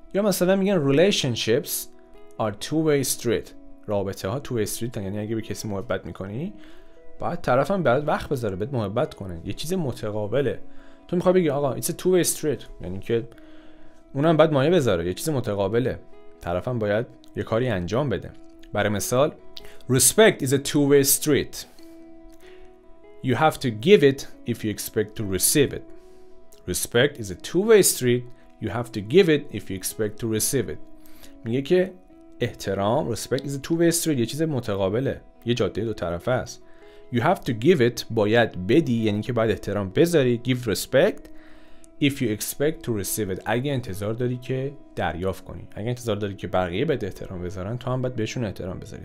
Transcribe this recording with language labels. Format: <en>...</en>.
<fa>یا مثلا میگن</fa> <en>relationships are two way street،</en> <fa>رابطه ها تو وی استریت، یعنی اگه به کسی محبت میکنی باید طرف هم برات وقت بذاره، بهت محبت کنه، یه چیز متقابله. تو میخوای بگی آقا</fa> <en>it's a two way street،</en> <fa>یعنی که اونم باید مایه بذاره، یه چیز متقابله، طرف هم باید یه کاری انجام بده. برای مثال</fa> <en>respect is a two way street، you have to give it if you expect to receive it. Respect is a two way street، you have to give it if you expect to receive it.</en> <fa>میگه که احترام،</fa> <en>respect is a two way street،</en> <fa>یه چیز متقابله، یه جاده دو طرفه است.</fa> <en>You have to give it،</en> <fa>باید بدی، یعنی که باید احترام بذاری،</fa> <en>give respect if you expect to receive it،</en> <fa>اگه انتظار داری که دریافت کنی، اگه انتظار داری که بقیه بهت احترام بذارن تو هم باید بهشون احترام بذاری.</fa>